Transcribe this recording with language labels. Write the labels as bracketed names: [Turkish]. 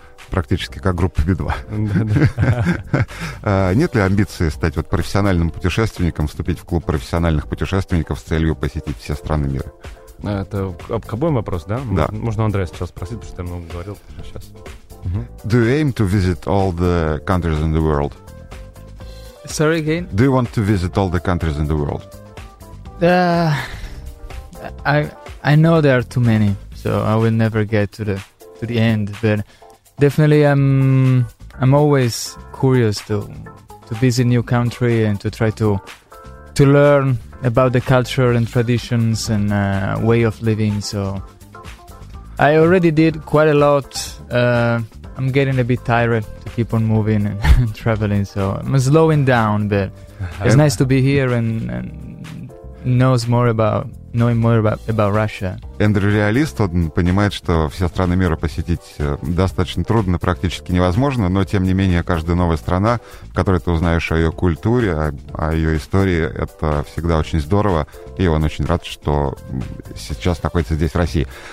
[Russian] Практически как группа Би-2. Да-да. Нет ли амбиции стать вот профессиональным путешественником, вступить в клуб профессиональных путешественников с целью посетить все страны мира? Это к обоим вопрос, да? Да. Можно Андрея сейчас спросить, потому что я много говорил сейчас. [English] Do you aim to visit all the countries in the world? Sorry again? Do you want to visit all the countries in the world? I know there are too many, so I will never get to the end, but definitely I'm always curious to visit new country and to try to learn about the culture and traditions and way of living. So I already did quite a lot. I'm getting a bit tired to keep on moving and traveling, so I'm slowing down, but it's nice to be here and knowing more about Russia. [Russian] Эндрю реалист, он понимает, что все страны мира посетить достаточно трудно, практически невозможно, но, тем не менее, каждая новая страна, в которой ты узнаешь о ее культуре, о ее истории, это всегда очень здорово, и он очень рад, что сейчас находится здесь, в России.